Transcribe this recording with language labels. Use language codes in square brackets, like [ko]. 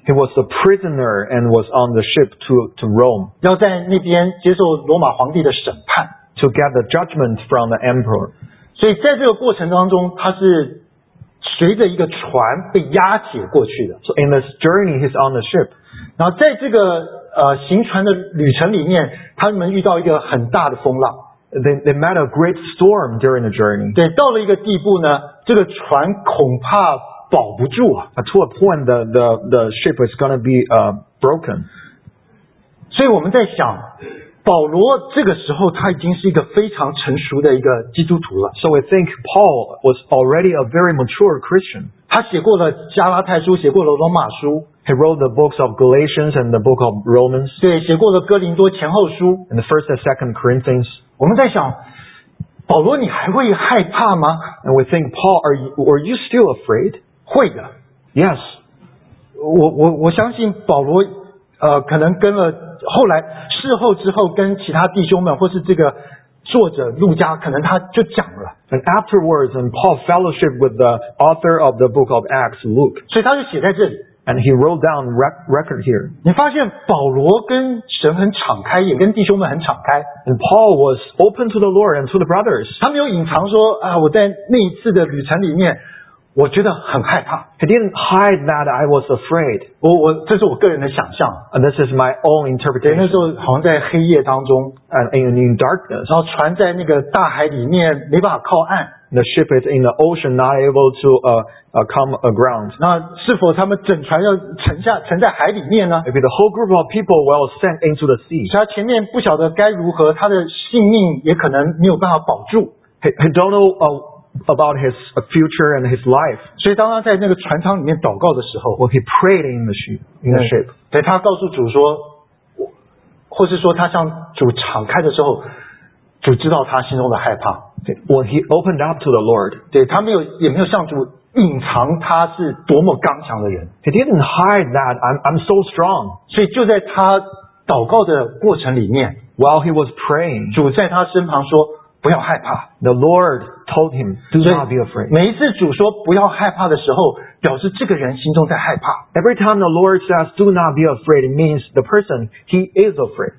[en] He was a prisoner and was on the ship to Rome. [zh] 要在那边接受罗马皇帝的审判。 [en] To get the judgment from the emperor. [zh] 所以在这个过程当中，他是随着一个船被押解过去的。 [en] So in this journey, he's on the ship. [zh] 然后在这个行船的旅程里面，他们遇到一个很大的风浪。 [en] They met a great storm during the journey. [zh] 对，到了一个地步呢，这个船恐怕保不住啊。 [en] To a point, the ship is going to be broken. [zh] 所以我们在想，保罗这个时候他已经是一个非常成熟的一个基督徒了。 [en] So we think Paul was already a very mature Christian. [zh] 他写过了加拉太书，写过了罗马书。 [en] He wrote the books of Galatians and the book of Romans. [zh] 对，写过了哥林多前后书。 [en] And the first and second Corinthians. [zh] 我们在想，保罗，你还会害怕吗？ [en] And we think, Paul, are you still afraid? [zh] 会的。 [en] Yes. [zh] 我相信保罗，可能跟了后来事后之后跟其他弟兄们，或是这个作者路加，可能他就讲了。 [en] And afterwards, and Paul fellowship with the author of the book of Acts, Luke. [zh] 所以他就写在这里。 [en] And he wrote down record here. [zh] 你发现保罗跟神很敞开，也跟弟兄们很敞开。 [en] And Paul was open to the Lord and to the brothers. [zh] 他没有隐藏说啊，我在那一次的旅程里面，我觉得很害怕。 [en] He didn't hide that I was afraid. [zh] 我这是我个人的想象。 [en] And this is my own interpretation. [zh] 那时候好像在黑夜当中 [en] ，and in darkness. [zh] 然后船在那个大海里面没办法靠岸。 [en] The ship is in the ocean, not able to come aground. [zh] 那是否他们整船要沉在海里面呢 [en] ？Maybe the whole group of people will sink into the sea. [zh] 所以他前面不晓得该如何，他的性命也可能没有办法保住。 [en] He don't know about his future and his life. [zh] 所以当他在那个船舱里面祷告的时候 [en] ，Well, he prayed in the ship. [zh] 对，他告诉主说，或是说他向主敞开的时候，主知道他心中的害怕。 [en] When he opened up to the Lord, [zh] 对他没有也没有向主隐藏他是多么刚强的人。 [en] He didn't hide that I'm so strong. [zh] 所以就在他祷告的过程里面 [en] ，while he was praying, [zh] 主在他身旁说不要害怕。 [en] The Lord told him, "Do not be afraid." [zh] 每一次主说不要害怕的时候，表示这个人心中在害怕。 [en] Every time the Lord says, "Do not be afraid," it means the person he is afraid.